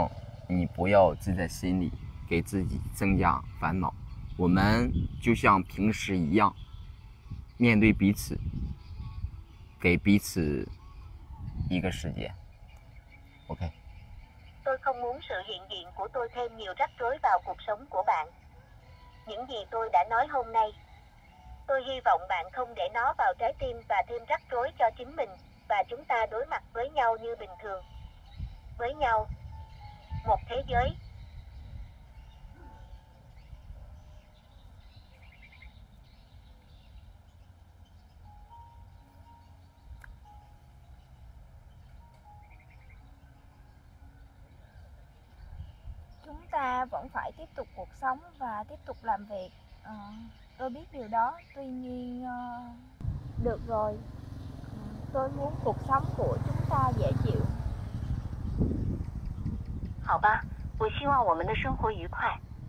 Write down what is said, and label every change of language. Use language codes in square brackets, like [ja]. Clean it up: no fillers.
[zh] 我想你明白你对我和我的感情以及我对你的感情，但我现在真的很困惑。我不希望有我的出现让你的生活添加很多的烦恼。今天我所说的话，希望你不要记在心里。给自己增加烦恼，我们就像平时一样，面对彼此，给彼此一个时间。OK. [vi] Tôi không muốn sự hiện diện của tôi thêm nhiều rắc rối vào cuộc sống của bạn. Những gì tôi đã nói hôm nay, tôi hy vọng bạn không để nó vào trái tim và thêm rắc rối cho chính mình và chúng ta đối mặt với nhau như bình thường. Với nhau, một thế giới. Ta vẫn phải tiếp tục cuộc sống và tiếp tục làm việc. Tôi biết điều đó, tuy nhiên được rồi. Tôi muốn cuộc sống của chúng ta dễ chịu. [zh] 好吧, 我希望我们的生活愉快.